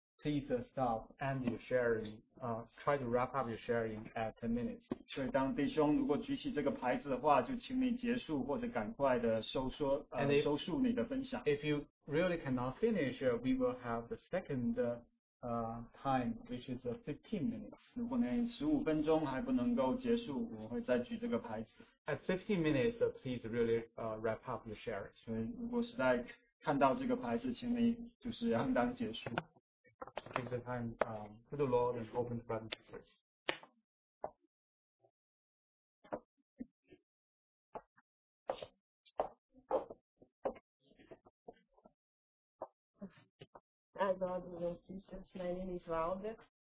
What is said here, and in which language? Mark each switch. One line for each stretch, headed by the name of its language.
English: Please stop and your sharing. Try to wrap up your sharing at 10 minutes.
Chinese: 所以当弟兄如果举起这个牌子的话, 就请你结束或者赶快的收缩,
English: and if,
Chinese: 收束你的分享。
English: If you really cannot finish, we will have the second time, which is 15 minutes.
Chinese: 如果你15分钟还不能够结束, 我会再举这个牌子。
English: At 15 minutes, please really wrap up your sharing.
Chinese: 所以如果实在看到这个牌子, 请你就是让当结束。
English: Take the time to the Lord and open the brothers and sisters. Hi, brothers and sisters. My name is Valda.